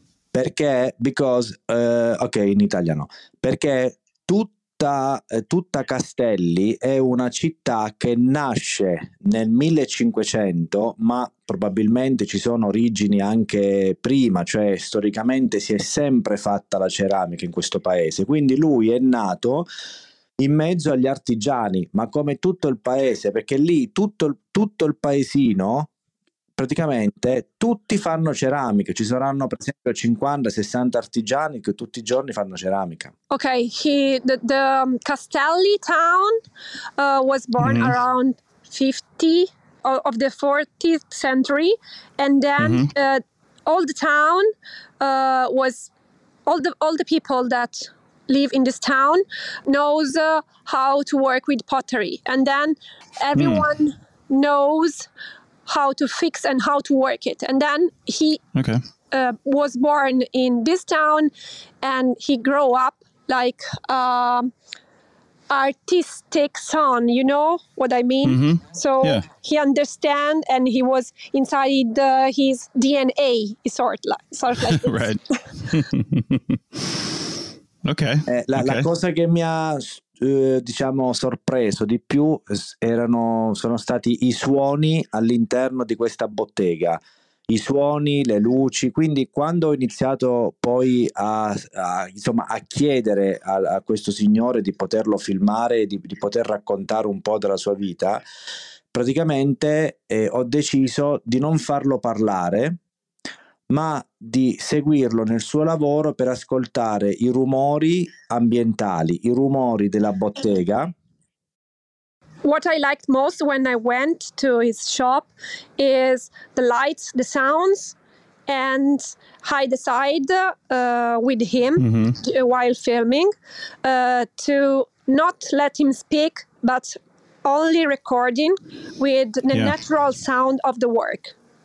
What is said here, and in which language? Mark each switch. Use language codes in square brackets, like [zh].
[it] Perché, [en] because, [it] okay, in italiano, perché tutta Castelli è una città che nasce nel 1500, ma probabilmente ci sono origini anche prima, cioè storicamente si è sempre fatta la ceramica in questo paese, quindi lui è nato in mezzo agli artigiani, ma come tutto il paese, perché lì tutto il paesino praticamente tutti fanno ceramica, ci saranno per esempio 50-60 artigiani che tutti i giorni fanno ceramica. [en] Ok, the Castelli town was born mm-hmm. around 50 of the 14th century, and then old town was all the people that live in this town knows how to work with pottery, and then everyone knows how to fix and how to work it, and then he was born in this town, and he grew up like artistic son, you know what I mean? So he understand, and he was inside his DNA, sort of like this. Right. Okay. [it] La cosa che mi ha diciamo sorpreso di più sono stati i suoni all'interno di questa bottega, i suoni, le luci. Quindi quando ho iniziato poi a chiedere a questo signore di poterlo filmare, di poter raccontare un po' della sua vita, praticamente ho deciso di non farlo parlare, ma di seguirlo nel suo lavoro per ascoltare i rumori ambientali, i rumori della bottega. [en] What I liked most when I went to his shop is the lights, the sounds, and I decide with him while filming to not let him speak, but only recording with the natural sound of the work.